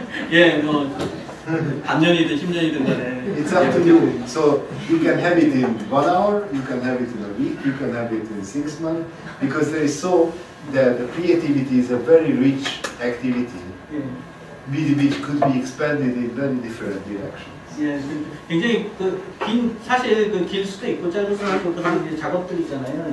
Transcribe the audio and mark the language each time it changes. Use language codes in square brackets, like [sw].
[ko] 예, 뭐 반년이든 10년이든 간에. [en] It's up to you. So you can have it in 1 hour, you can have it in a week, you can have it in 6 months, because there is so that the creativity is a very rich activity, which could be expanded in many different directions. [ko] 예, 굉장히 그 긴 사실 그 길 수도 있고 짧을 수도 있고 그런 이제 작업들 있잖아요.